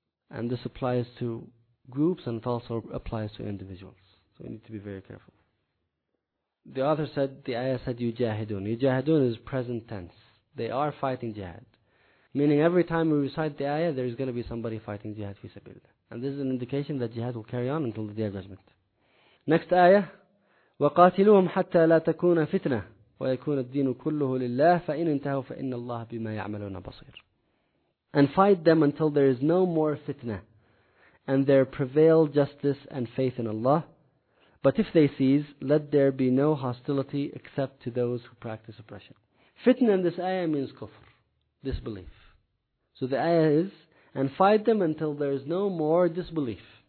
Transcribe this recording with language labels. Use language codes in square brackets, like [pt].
[en] And this applies to groups, and it also applies to individuals. We need to be very careful. The author said, the ayah said, yujahidun. Yujahidun is present tense. They are fighting jihad. Meaning every time we recite the ayah, there is going to be somebody fighting jihad fi sabilillah. And this is an indication that jihad will carry on until the Day of Judgment. Next ayah, [ar] وَقَاتِلُوهُمْ حَتَّى لَا تَكُونَ فِتْنَةً وَيَكُونَ الدِّينُ كُلُّهُ لِلَّهِ فَإِنْ انْتَهُوا فَإِنَّ اللَّهَ بِمَا يَعْمَلُونَ بَصِيرٌ. [en] And fight them until there is no more fitna, and there prevail justice and faith in Allah. But if they cease, let there be no hostility except to those who practice oppression. Fitna in this ayah means kufr, disbelief. So the ayah is, and fight them until there is no more disbelief.